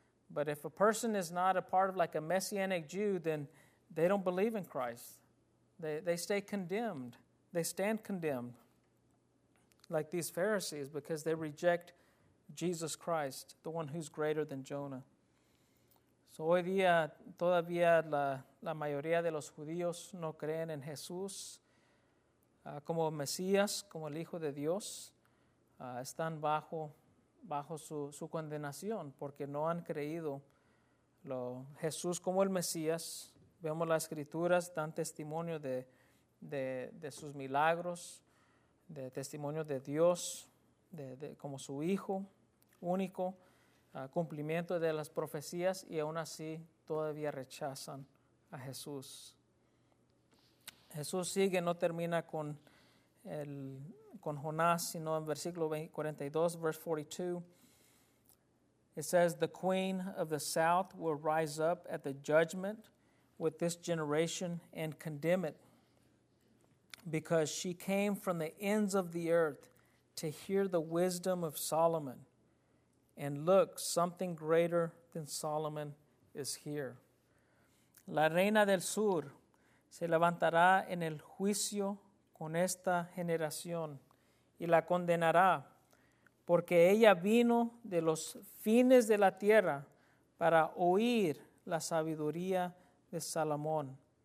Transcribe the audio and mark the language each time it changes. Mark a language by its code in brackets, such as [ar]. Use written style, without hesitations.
[en] But if a person is not a part of like a Messianic Jew, then they don't believe in Christ. They stay condemned. They stand condemned like these Pharisees because they reject Jesus Christ, the one who's greater than Jonah. [es] So hoy día todavía la mayoría de los judíos no creen en Jesús como Mesías, como el Hijo de Dios, están bajo su condenación porque no han creído Jesús como el Mesías. Vemos las Escrituras, dan testimonio de sus milagros, de testimonio de Dios de como su Hijo único, cumplimiento de las profecías y aún así todavía rechazan a Jesús. Jesús sigue, no termina con Jonás, sino en versículo 42, [en] verse 42. It says, the queen of the south will rise up at the judgment with this generation and condemn it, because she came from the ends of the earth to hear the wisdom of Solomon. And look, something greater than Solomon is here. [es] La reina del sur se levantará en el juicio con esta generación y la condenará, porque ella vino de los fines de la tierra para oír la sabiduría de Salomón.